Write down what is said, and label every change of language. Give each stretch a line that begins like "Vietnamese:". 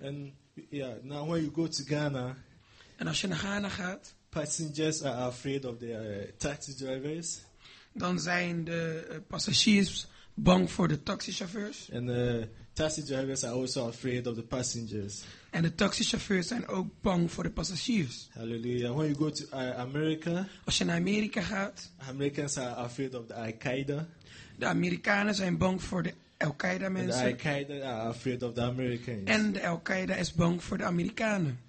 English: And yeah, now when you go to Ghana,
Dutch: en als je naar Ghana gaat,
English: passengers are afraid of the taxi drivers.
Dutch: Dan zijn de passagiers bang voor de taxichauffeurs.
English: And the taxi drivers are also afraid of the passengers.
Dutch: En de taxichauffeurs zijn ook bang voor de passagiers.
English: Hallelujah. When you go to America,
Dutch: als je naar Amerika gaat,
English: Americans are afraid of the Al-Qaeda.
Dutch: De Amerikanen zijn bang voor de Al-Qaeda mensen.
English: And the Al-Qaeda are afraid of the Americans.
Dutch: En de Al-Qaeda is bang voor de Amerikanen.